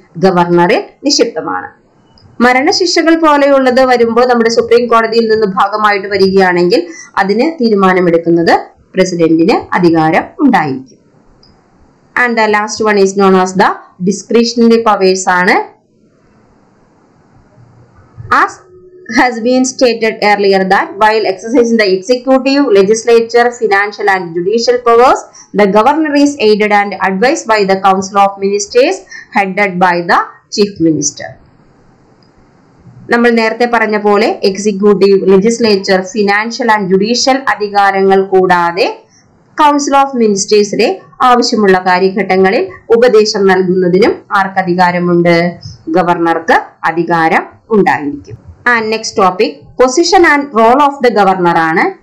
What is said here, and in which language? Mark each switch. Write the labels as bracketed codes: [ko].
[ml] ഗവർണറിൽ നിഷിപ്തമാണ്. മരണശിക്ഷകൾ പോലെയുള്ളത് വരുമ്പോൾ നമ്മുടെ സുപ്രീം കോടതിയിൽ നിന്ന് ഭാഗമായിട്ട് വരികയാണെങ്കിൽ അതിന് തീരുമാനമെടുക്കുന്നത് പ്രസിഡന്റിന് അധികാരം ഉണ്ടായിരിക്കും. [en] And the last one is known as the discretionary powers ആണ്. As has been stated earlier that while exercising the executive, legislature, financial and judicial powers, the governor is aided and advised by the council of ministers headed by the chief minister. [ml] നമ്മൾ നേരത്തെ പറഞ്ഞ പോലെ [en] executive, legislature, financial and judicial [ml] അധികാരങ്ങൾ കൂടാതെ council of ministersിലെ ആവശ്യമുള്ള കാര്യഘട്ടങ്ങളിൽ ഉപദേശം നൽകുന്നതിനും ആർക്ക് അധികാരമുണ്ട്? ഗവർണർക്ക് അധികാരം ഉണ്ടായിരിക്കും. [en] And next topic, position and role of the governor ആണ്.